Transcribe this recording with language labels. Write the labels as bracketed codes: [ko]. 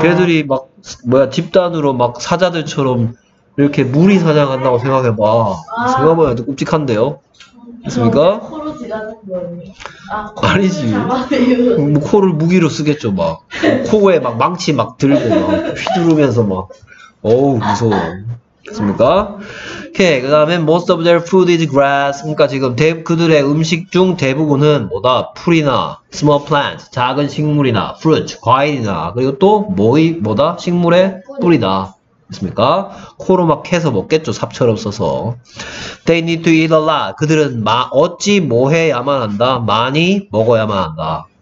[ko] 걔들이 막 뭐야 집단으로 막 사자들처럼 이렇게 무리 사냥한다고 생각해봐. 생각해봐야 좀 끔찍한데요. 됐습니까? 코로 지나는 거 아니지. 뭐 코를 무기로 쓰겠죠. 막 코에 막 망치 막 들고 막 휘두르면서 막 어우 무서워. 됐습니까? 오케이. 그 다음에 [en] most of their food is grass. [ko] 그러니까 지금 그들의 음식 중 대부분은 뭐다? 풀이나 [en] small plants, [ko] 작은 식물이나 fruit, 과일이나 그리고 또 뭐이 뭐다? 식물의 뿌리다. 됐습니까? 코로 막 해서 먹겠죠. 삽처럼 써서. [en] They need to eat a lot. [ko] 그들은 어찌 뭐 해야만 한다? 많이 먹어야만 한다.